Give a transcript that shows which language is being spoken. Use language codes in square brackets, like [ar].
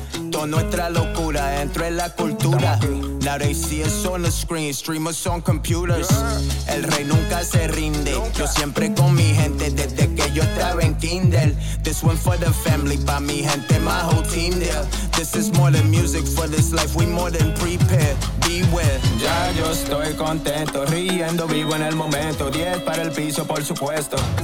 [es] Toda nuestra locura entró en la cultura. [en] Now they see us on the screen, stream us on computers. [es] El rey nunca se rinde. Yo siempre con mi gente desde que yo estaba en Kindle. [en] This one for the family, [es] pa' mi gente, [en] my whole team there. This is more than music for this life, we more than prepared. [es] Ya yo estoy contento, riendo vivo en el momento. 10 para el piso, por supuesto.